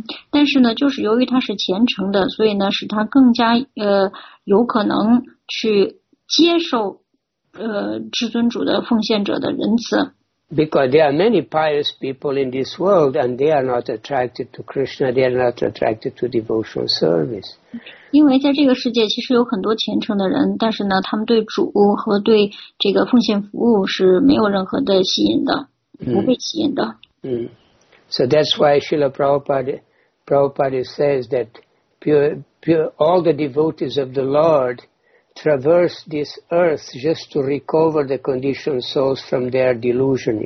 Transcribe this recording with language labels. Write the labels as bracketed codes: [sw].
[zh] 但是呢，就是由于他是虔诚的，所以呢，使他更加有可能去接受至尊主的奉献者的仁慈。 [en] Because there are many pious people in this world, and they are not attracted to Krishna. They are not attracted to devotional service. [zh] 因为在这个世界，其实有很多虔诚的人，但是呢，他们对主和对这个奉献服务是没有任何的吸引的，不被吸引的。 [en] So that's why Srila Prabhupada says that pure all the devotees of the Lord. Traverse this earth just to recover the conditioned souls from their delusion.